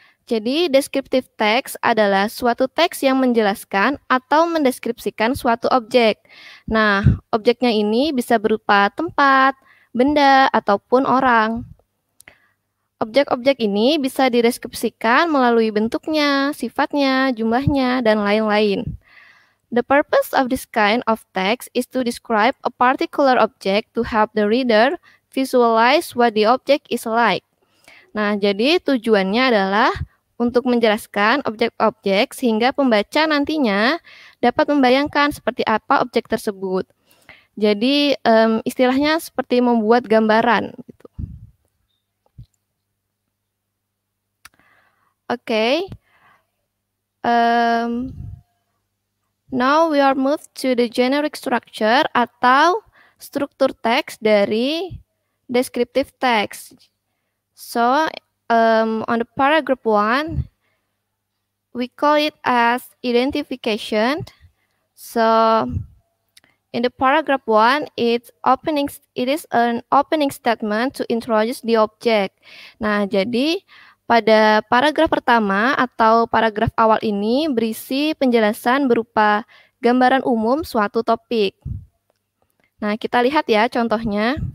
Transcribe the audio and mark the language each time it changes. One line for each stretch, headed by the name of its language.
Indonesian: Jadi, descriptive text adalah suatu teks yang menjelaskan atau mendeskripsikan suatu objek. Nah, objeknya ini bisa berupa tempat, benda, ataupun orang. Objek-objek ini bisa dideskripsikan melalui bentuknya, sifatnya, jumlahnya, dan lain-lain.
English: The purpose of this kind of text is to describe a particular object to help the reader visualize what the object is like.
Indonesian: Nah, jadi tujuannya adalah untuk menjelaskan objek-objek sehingga pembaca nantinya dapat membayangkan seperti apa objek tersebut. Jadi, istilahnya seperti membuat gambaran.
English: Okay. Now we are moved to the generic structure
Indonesian: atau struktur teks dari
English: descriptive text. So, on the paragraph one, we call it as identification. So, in the paragraph one, it is an opening statement to introduce the object.
Indonesian: Nah, jadi pada paragraf pertama atau paragraf awal ini berisi penjelasan berupa gambaran umum suatu topik. Nah, kita lihat ya contohnya.